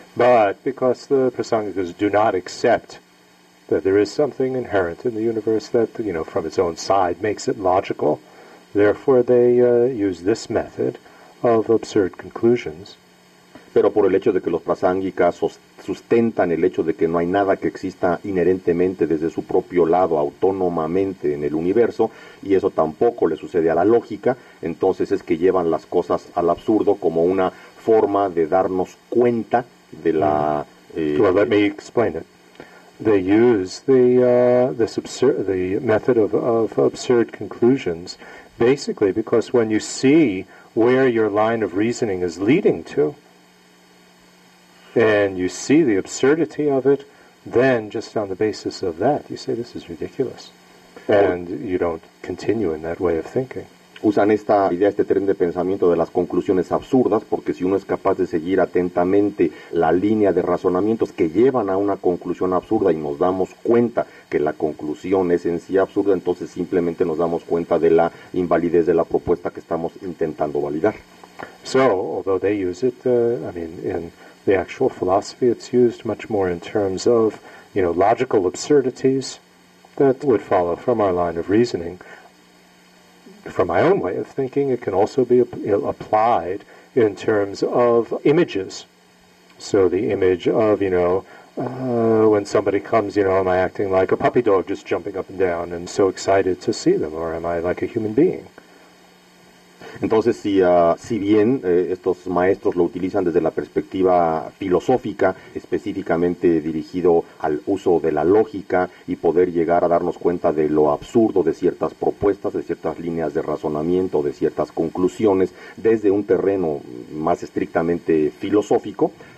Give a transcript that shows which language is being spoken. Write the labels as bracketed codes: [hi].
[en] But because the Prasangikas do not accept that there is something inherent in the universe that, you know, from its own side makes it logical, therefore they use this method of absurd conclusions. [es] Pero por el hecho de que los prasángicas sustentan el hecho de que no hay nada que exista inherentemente desde su propio lado, autónomamente en el universo, y eso tampoco le sucede a la lógica, entonces es que llevan las cosas al absurdo como una forma de darnos cuenta de la... [en] Well, let me explain it. They use the method of absurd conclusions basically because when you see where your line of reasoning is leading to, and you see the absurdity of it, then just on the basis of that, you say this is ridiculous, and you don't continue in that way of thinking. [es] Usan esta idea, este tren de pensamiento de las conclusiones absurdas, porque si uno es capaz de seguir atentamente la línea de razonamientos que llevan a una conclusión absurda y nos damos cuenta que la conclusión es en sí absurda, entonces simplemente nos damos cuenta de la invalidez de la propuesta que estamos intentando validar. [en] So, although they use it, in the actual philosophy, it's used much more in terms of, you know, logical absurdities that would follow from our line of reasoning. From my own way of thinking, it can also be applied in terms of images. So the image of, you know, when somebody comes, you know, am I acting like a puppy dog just jumping up and down and so excited to see them, or am I like a human being? [es] Entonces, si bien estos maestros lo utilizan desde la perspectiva filosófica, específicamente dirigido al uso de la lógica y poder llegar a darnos cuenta de lo absurdo de ciertas propuestas, de ciertas líneas de razonamiento, de ciertas conclusiones, desde un terreno más estrictamente filosófico,